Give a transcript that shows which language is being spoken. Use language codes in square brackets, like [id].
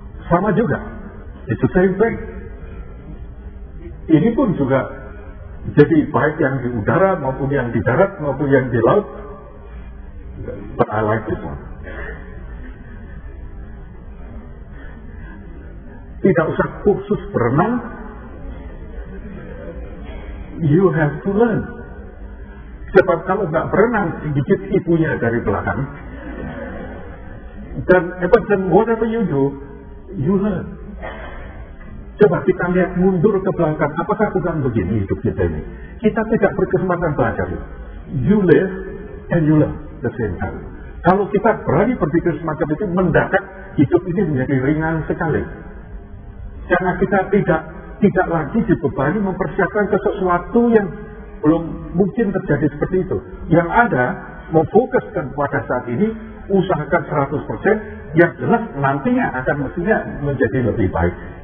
[id] Sama juga. [en] It's the same thing. [id] Ini pun juga jadi baik yang di udara, maupun yang di darat, maupun yang di laut. [en] But I like this one. [id] Tidak usah kursus berenang. [en] You have to learn. [id] Sebab kalau tidak berenang, sedikit ibunya dari belakang. Dan [en] whatever you do, you learn. [id] Coba kita lihat mundur ke belakang. Apakah bukan begini hidup kita ini? Kita tidak berkesempatan belajar. [en] You live and you learn the same time. [id] Kalau kita berani berpikir semacam itu, mendadak hidup ini menjadi ringan sekali. Karena kita tidak lagi dibebani mempersiapkan ke sesuatu yang belum mungkin terjadi seperti itu. Yang ada, memfokuskan pada saat ini, usahakan 100%, yang jelas nantinya akan mestinya menjadi lebih baik.